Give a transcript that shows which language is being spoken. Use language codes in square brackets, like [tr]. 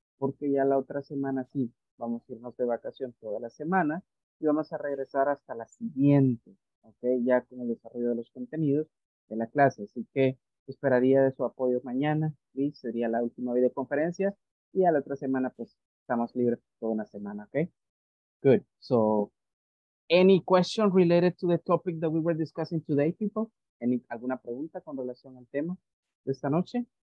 [es] Porque ya la otra semana sí, vamos a irnos de vacación toda la semana y vamos a regresar hasta la siguiente, ¿ok? Ya con el desarrollo de los contenidos de la clase. Así que esperaría de su apoyo mañana, ¿sí? Sería la última videoconferencia y ya la otra semana pues estamos libres toda una semana, ¿ok? [en] Good. So, any question related to the topic that we were discussing today, people? [es] ¿Alguna pregunta con relación al tema de esta noche?